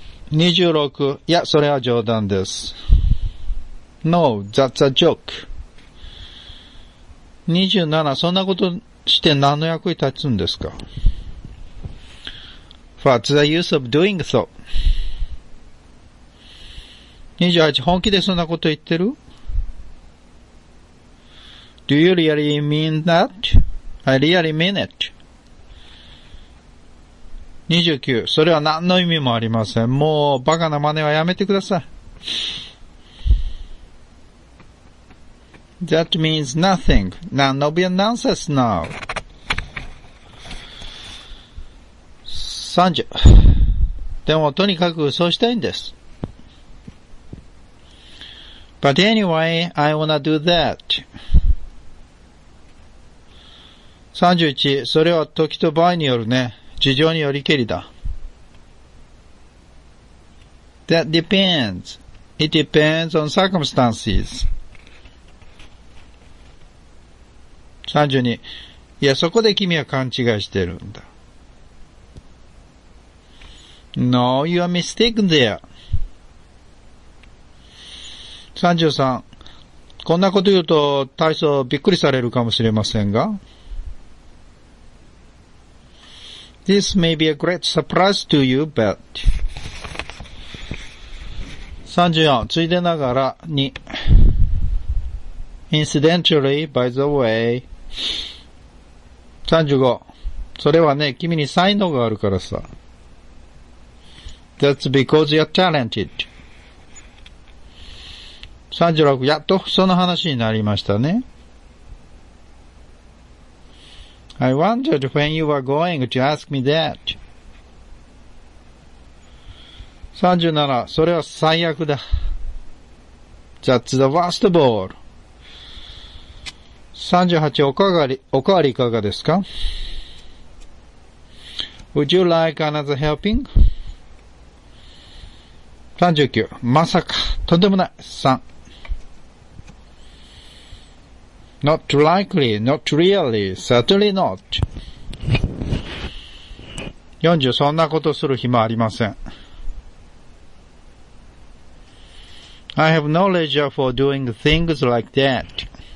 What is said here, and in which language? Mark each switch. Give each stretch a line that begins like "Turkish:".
Japanese: 26. いや、それは冗談です。
English: No, that's a joke.
Japanese: 27. そんなことして何の役に立つんですか?
English: What's the use of doing so?
Japanese: 28. 本気でそんなこと言ってる?
English: Do you really mean that? I really mean it.
Japanese: 29、それは何の意味もありません。もうバカな真似はやめてください。
English: That means nothing. Now, no be a nonsense now.
Japanese: 30。でもとにかくそうしたいんです。
English: But anyway, I wanna do that.
Japanese: 31、それは時と場合によるね。事情によりけりだ。
English: That depends. It depends on circumstances.
Japanese: 32、いや、そこで君は勘違いしてるんだ。
English: No, you are mistaken there.
Japanese: 33、こんなこと言うと大層びっくりされるかもしれませんが。
English: This may be a great surprise to you, but... 34.
Japanese: ついでながらに。
English: Incidentally, by the way... 35.
Japanese: それはね、君に才能があるからさ。
English: That's because you're talented.
Japanese: 36. やっとその話になりましたね。
English: I wondered when you were going to ask me that. 37.
Japanese: それは最悪だ。
English: That's the worst of all. 38.
Japanese: おかわりいかがですか?
English: Would you like another helping?
Japanese: 39. まさか。とんでもない。3.
English: Not likely, not really, certainly not.
Japanese: 40. そんなことする暇ありません。
English: I have no leisure for doing things like that.